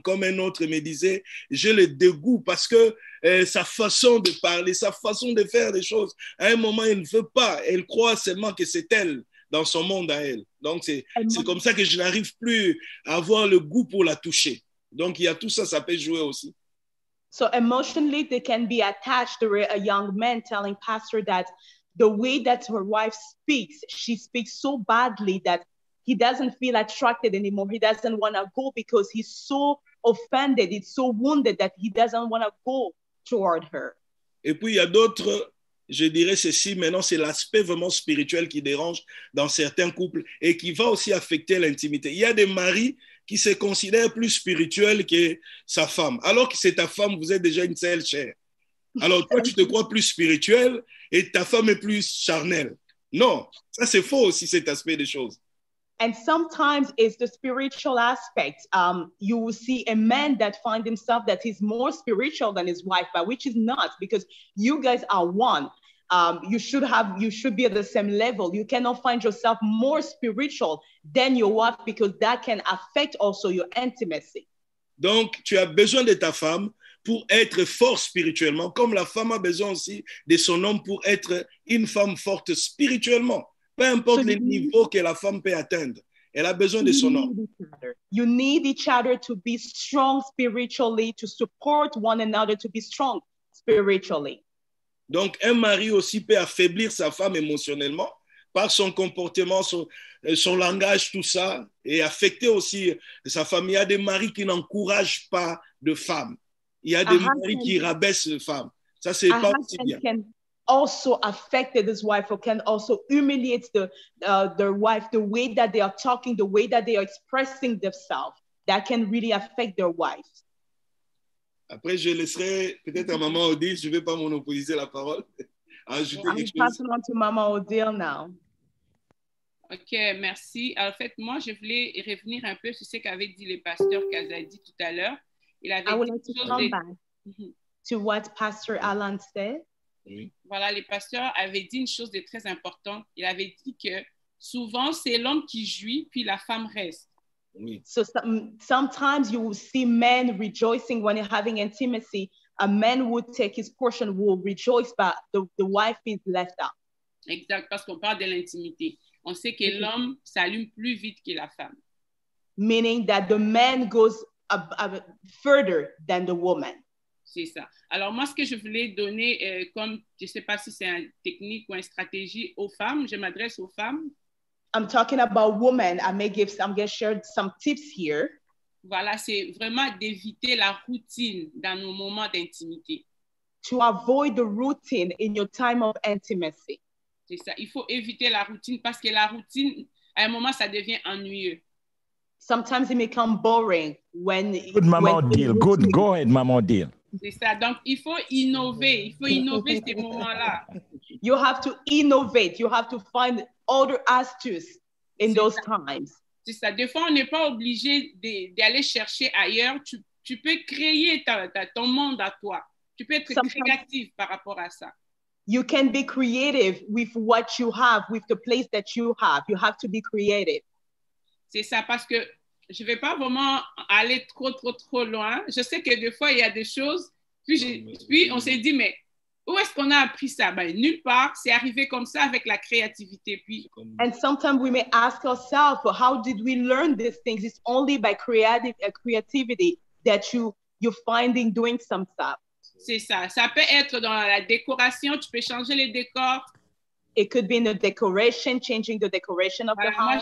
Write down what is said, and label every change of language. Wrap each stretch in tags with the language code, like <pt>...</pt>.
<fr>Comme un autre me disait, j'ai le dégoût parce que sa façon de parler, sa façon de faire les choses, à un moment, elle ne veut pas. Elle croit seulement que c'est elle dans son monde à elle. Donc, c'est comme ça que je n'arrive plus à avoir le goût pour la toucher. Donc, il y a tout ça, ça peut jouer aussi.</fr> <en>So emotionally, they can be attached to a young man telling pastor that the way that her wife speaks, she speaks so badly that he doesn't feel attracted anymore. He doesn't want to go because he's so offended. It's so wounded that he doesn't want to go toward her.</en> <fr>Et puis, il y a d'autres, je dirais ceci, maintenant, c'est l'aspect vraiment spirituel qui dérange dans certains couples et qui va aussi affecter l'intimité. Il y a des maris qui se considère plus spirituel que sa femme. Alors que c'est ta femme, vous êtes déjà une seule chair. Alors toi, tu te crois plus spirituel et ta femme est plus charnelle. Non, ça c'est faux aussi, cet aspect des choses.</fr> <en>And sometimes it's the spiritual aspect. You will see a man that find himself that he's more spiritual than his wife, but which is not, because you guys are one. You should be at the same level. You cannot find yourself more spiritual than your wife because that can affect also your intimacy.</en> <fr>Donc, tu as besoin de ta femme pour être fort spirituellement, comme la femme a besoin aussi de son homme pour être une femme forte spirituellement. Peu importe les niveaux que la femme peut atteindre, elle a besoin de son homme.</fr> <en>You need each other to be strong spiritually, to support one another, to be strong spiritually.</en> <fr>Donc, un mari aussi peut affaiblir sa femme émotionnellement par son comportement, son langage, tout ça, et affecter aussi sa femme. Il y a des maris qui n'encouragent pas de femmes. Il y a des maris qui rabaissent les femmes. Ça, c'est pas aussi bien.</fr> <en>Can also affect his wife or can also humiliate their wife, the way that they are talking, the way that they are expressing themselves. That can really affect their wife.</en> <fr>Après, je laisserai peut-être à Maman Odile, je ne vais pas monopoliser la parole, ajouter quelque chose.</fr> <en>I'm passing on to Maman Odile now.</en> <fr>OK, merci. Alors, en fait, moi, je voulais revenir un peu sur ce qu'avait dit le pasteur Kazadi tout à l'heure. Il avait</fr> <en>to what Pastor Alan said.</en> <fr>Oui. Voilà, le pasteur avait dit une chose de très importante. Il avait dit que souvent, c'est l'homme qui jouit, puis la femme reste.</fr> <en>So sometimes you will see men rejoicing when they're having intimacy. A man would take his portion, will rejoice, but the wife is left out.</en> <fr>Exact, parce qu'on parle de l'intimité. On sait que l'homme s'allume plus vite que la femme.</fr> <en>Meaning that the man goes further than the woman.</en> <fr>C'est ça. Alors moi, ce que je voulais donner, comme je ne sais pas si c'est une technique ou une stratégie aux femmes, je m'adresse aux femmes.</fr> <en>I'm talking about women. I'm going to share some tips here.</en> <fr>Voilà, c'est vraiment d'éviter la routine dans nos moments d'intimité.</fr> <en>To avoid the routine in your time of intimacy.</en> <fr>C'est ça. Il faut éviter la routine parce que la routine, à un moment, ça devient ennuyeux.</fr> <en>Sometimes it may come boring when. Good, Maman Odile. Good, go ahead, Maman Odile.</en> <fr>C'est ça. Donc, il faut innover. Il faut innover ces moments-là.</fr> <en>You have to innovate. You have to find other astuces in those times.</en> <fr>C'est ça. Des fois, on n'est pas obligé d'aller chercher ailleurs. Tu peux créer ton monde à toi. Tu peux être créatif par rapport à ça.</fr> <en>You can be creative with what you have, with the place that you have. You have to be creative.</en> <fr>C'est ça, parce que je ne vais pas vraiment aller trop loin. Je sais que des fois, il y a des choses. Puis on s'est dit, mais où est-ce qu'on a appris ça? Ben, nulle part. C'est arrivé comme ça avec la créativité. Puis.</fr> <en>And sometimes we may ask ourselves, how did we learn these things? It's only by creativity that you're finding doing some stuff.</en> <fr>C'est ça. Ça peut être dans la décoration. Tu peux changer les décors.</fr> <en>It could be in the decoration, changing the decoration of the house.</en>